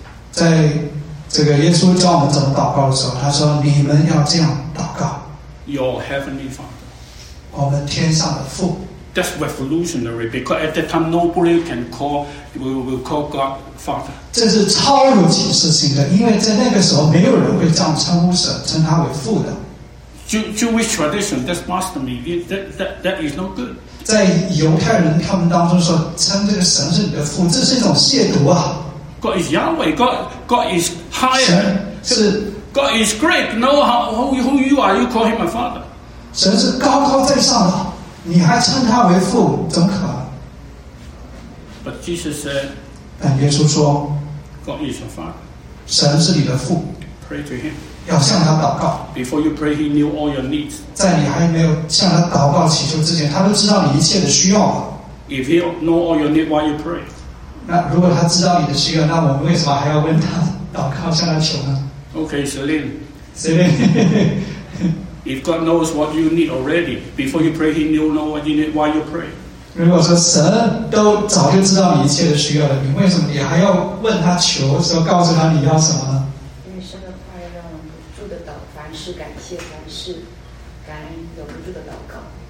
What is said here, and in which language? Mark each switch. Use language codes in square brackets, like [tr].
[zh] 在这个耶稣教我们怎么祷告的时候，他说：“你们要这样祷告。” [en] Your heavenly Father. [zh] 我们天上的父。 [en] That's revolutionary because at that time nobody can call God Father. [zh] 这是超有启示性的，因为在那个时候没有人会这样称呼神，称他为父的。 [en] Jewish tradition, that's blasphemy. That is no good. [zh] 在犹太人他们当中说称这个神是你的父，这是一种亵渎啊。 [en] God is Yahweh. God is higher. [zh] 神是 [en] God is great. No, who you are, you call him a father. [zh] 神是高高在上的。你还称他为父，怎么可能？ [en] But Jesus said, [zh] 但耶稣说 [en] God is your father. [zh] 神是你的父。 [en] Pray to him. [zh] 要向他祷告。 [en] Before you pray, he knew all your needs. [zh] 在你还没有向他祷告祈求之前，他都知道你一切的需要。 [en] If he know all your need, why you pray? [zh] 那如果他知道你的需要，那我们为什么还要问他祷告向他求呢？ [en] Okay, Celine. Celine. If God knows what you need already, before you pray, He knew know what you need while you pray. [zh] 如果说神都早就知道你一切的需要了，你为什么你还要问他求，说告诉他你要什么呢？因为神的话要让我们不住的祷，凡事感谢，凡事感恩，有不住的祷告。